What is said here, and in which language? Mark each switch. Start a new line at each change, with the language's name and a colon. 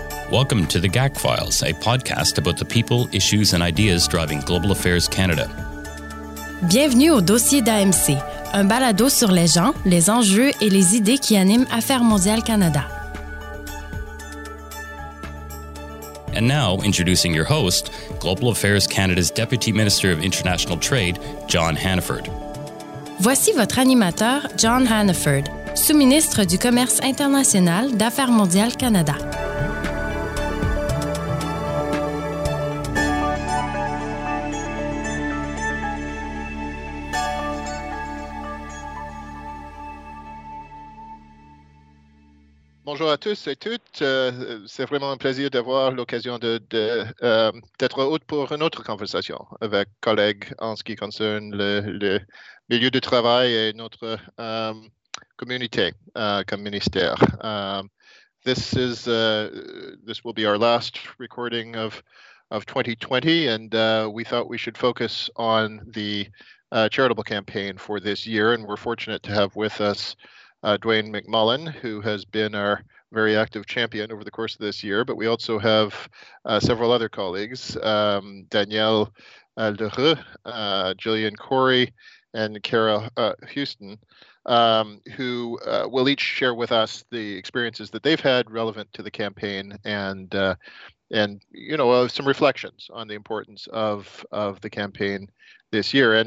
English: Welcome to the GAC Files, a podcast about the people, issues and ideas driving Global Affairs Canada.
French: Bienvenue au dossier d'AMC, un balado sur les gens, les enjeux et les idées qui animent Affaires mondiales Canada.
English: And now, introducing your host, Global Affairs Canada's Deputy Minister of International Trade, John Hannaford.
French: Voici votre animateur, John Hannaford, sous-ministre du Commerce international d'Affaires mondiales Canada. Bonjour à tous et toutes. C'est vraiment un plaisir d'avoir l'occasion d'être hôte pour une autre conversation avec collègues en ce qui concerne le milieu du travail et notre communauté comme ministère.
English: This will be our last recording of 2020, and we thought we should focus on the charitable campaign for this year. And we're fortunate to have with us Dwayne McMullen, who has been our very active champion over the course of this year, but we also have several other colleagues, Danielle Lheureux, Gillian Corey, and Kara Houston, who will each share with us the experiences that they've had relevant to the campaign and some reflections on the importance of the campaign this year.